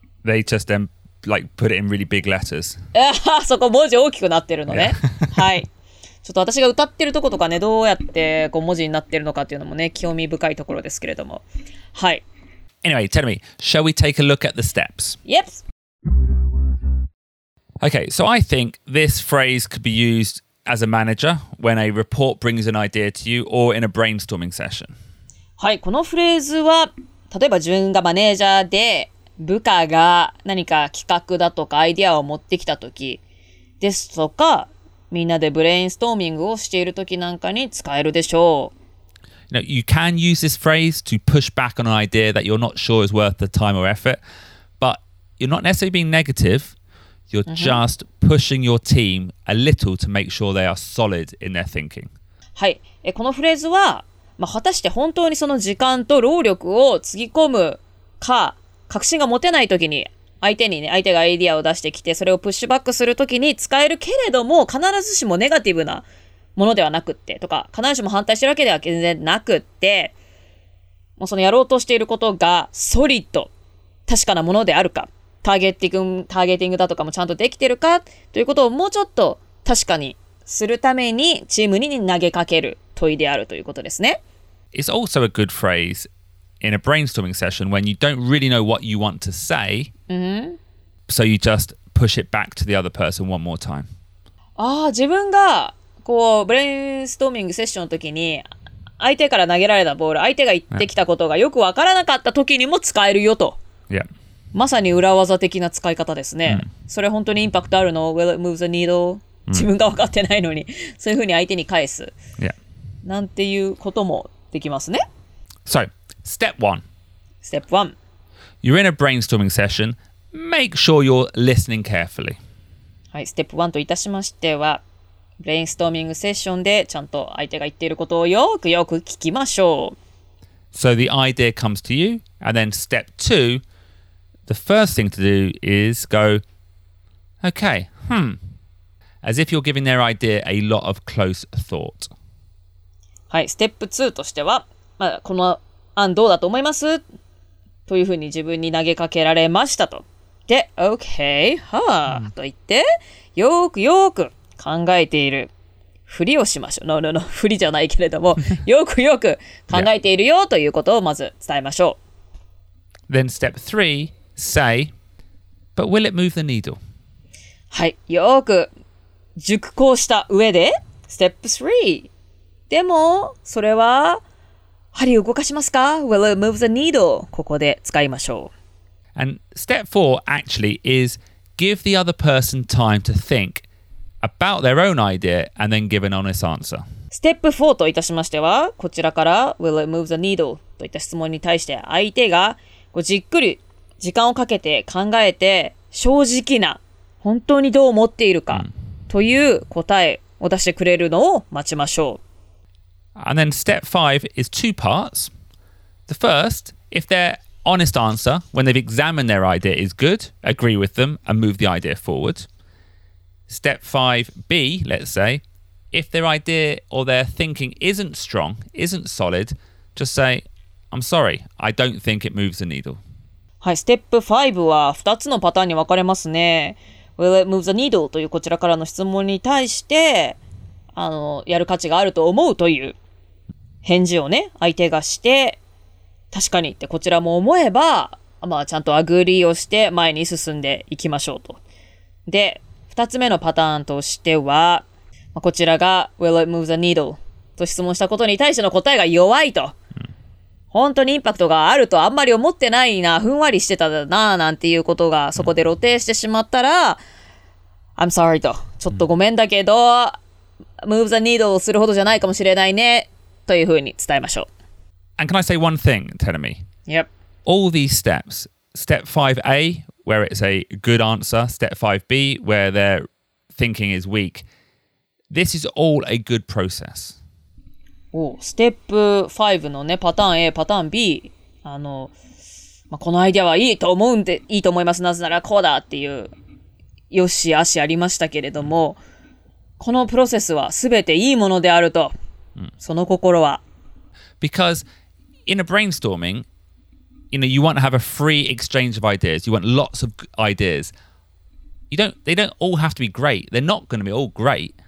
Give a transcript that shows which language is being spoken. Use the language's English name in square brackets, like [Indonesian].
[English] They just then like put it in really big letters. [Japanese] そこ文字大きくなってるのね。 [English] Yeah. [Japanese] はい。ちょっと私が歌ってるとことかね、どうやって5文字になってるのかっていうのもね、興味深いところですけれども。はい。 [English] Anyway, tell me, shall we take a look at the steps? Yep. Okay, so I think this phrase could be used as a manager when a report brings an idea to you or in a brainstorming session. [Japanese] はい、このフレーズは、例えば自分がマネージャーで、部下が何か企画だとかアイデアを持ってきたときですとか、みんなでブレインストーミングをしているときなんかに使えるでしょう。 [English] Now, you can use this phrase to push back on an idea that you're not sure is worth the time or effort, but you're not necessarily being negative, you're just pushing your team a little to make sure they are solid in their thinking. [Japanese] はい、このフレーズは、まあ、果たして本当にその時間と労力をつぎ込むか、確信が持てないときに相手にね、相手がアイディアを出してきて、それをプッシュバックするときに使えるけれども、必ずしもネガティブなものではなくって、とか、必ずしも反対してるわけでは全然なくって、もうそのやろうとしていることがソリッド、確かなものであるか、ターゲティングだとかもちゃんとできてるか、ということをもうちょっと確かにするために、チームに投げかける問いであるということですね。 [English] It's also a good phrase in a brainstorming session when you don't really know what you want to say,So you just push it back to the other person one more time. [Japanese] ああ、自分がこうブレインストーミングセッションの時に相手から投げられたボール、相手が言ってきたことがよくわからなかった時にも使えるよと。 Yeah. まさに裏技的な使い方ですね。それ本当にインパクトあるの。 [English] Will it move the needle? [Japanese] 自分が分かってないのに、そういうふうに相手に返す。 [English] Yeah. [Japanese] なんていうこともできますね。 [English] So, step one. Step one. You're in a brainstorming session. Make sure you're listening carefully. [Japanese] はい、ステップ1といたしましては、ブレインストーミングセッションでちゃんと相手が言っていることをよくよく聞きましょう。 [English] So the idea comes to you, and then step 2, the first thing to do is go, okay, as if you're giving their idea a lot of close thought. [Japanese] はい、ステップ2としては、まあ、この案どうだと思いますというふうに自分に投げかけられましたと。で、OK、はぁ、と言って、よーくよーく考えているふりをしましょう。 [English] No, no, no, [Japanese] ふりじゃないけれども、よくよく考えているよということをまず伝えましょう。 [English] Then step three, say, but will it move the needle? [Japanese] はい、よーく熟考した上で、 [English] step three。 [Japanese] でも、それは、針を動かしますか? [English] Will it move the needle? [Japanese] ここで使いましょう。 [English] And step four actually is give the other person time to think about their own idea and then give an honest answer. Step four [Japanese] といたしましては、こちらから [English] Will it move the needle? [Japanese] といった質問に対して相手がこうじっくり時間をかけて考えて正直な本当にどう思っているかという答えを出してくれるのを待ちましょう。 [English] And then step five is two parts. The first, if their honest answer, when they've examined their idea, is good, agree with them and move the idea forward. Step five B, let's say, if their idea or their thinking isn't strong, isn't solid, just say, I'm sorry, I don't think it moves the needle. [Japanese] はい、ステップ5は2つのパターンに分かれますね。 [English] Will it move the needle? [Japanese] というこちらからの質問に対して、やる価値があると思うという返事をね、相手がして、確かにってこちらも思えば、まあちゃんとアグリーをして前に進んでいきましょうと。で、二つ目のパターンとしては、まあ、こちらが [English] Will it move the needle? [Japanese] と質問したことに対しての答えが弱いと。本当にインパクトがあるとあんまり思ってないな、ふんわりしてたな、なんていうことがそこで露呈してしまったら、 [English] I'm sorry [Japanese] と。ちょっとごめんだけど、 [English] move the needle [Japanese] をするほどじゃないかもしれないね。というふうに伝えましょう。 [English] And can I say one thing, Tenami? Yep. All these steps, step 5A, where it's a good answer, step 5B, where their thinking is weak, this is all a good process. [Japanese] おう、ステップ5のね、パターン A、パターン B、まあ、このアイデアはいいと思うんで、いいと思います。なぜならこうだっていう、よし、足ありましたけれども、このプロセスはすべていいものであると。その心は? [English] Because in a brainstorming, you know, you want to have a free exchange of ideas. You want lots of ideas. They don't all have to be great. They're not going to be all great.